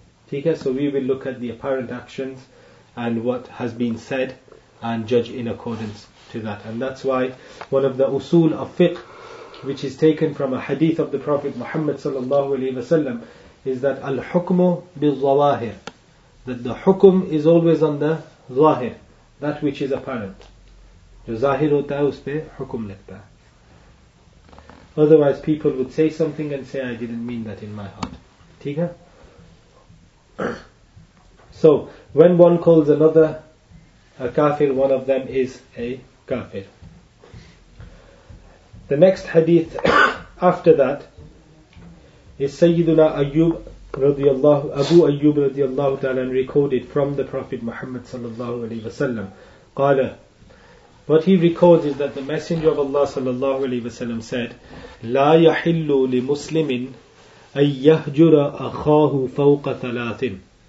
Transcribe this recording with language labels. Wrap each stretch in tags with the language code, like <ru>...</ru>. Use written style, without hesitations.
<ur>Theek hai?</ur> <en>So we will look at the apparent actions and what has been said and judge in accordance to that. And that's why one of the usul of fiqh, which is taken from a hadith of the Prophet Muhammad sallallahu alaihi wasallam, is that</en> <ar>al-hukmu bil-zawahir,</ar> <en>that the hukum is always on the zahir, that which is apparent.</en> <ur>جو ظاہر ہوتا ہے، اس پہ حکم لگتا ہے۔</ur> <en>Otherwise people would say something and say, I didn't mean that in my heart.</en> <ur>ٹھیک ہے؟</ur> <en>So when one calls another a kafir, one of them is a kafir. The next hadith after that is Sayyiduna Ayyub Abu Ayyub radiallahu ta'ala recorded from the Prophet Muhammad sallallahu alayhi wa sallam, qala, what he records is that the Messenger of Allah sallallahu alayhi wa sallam said,</en> <ar>la yahillu li muslimin an yahjura akhahu fawqa thalathin.</ar>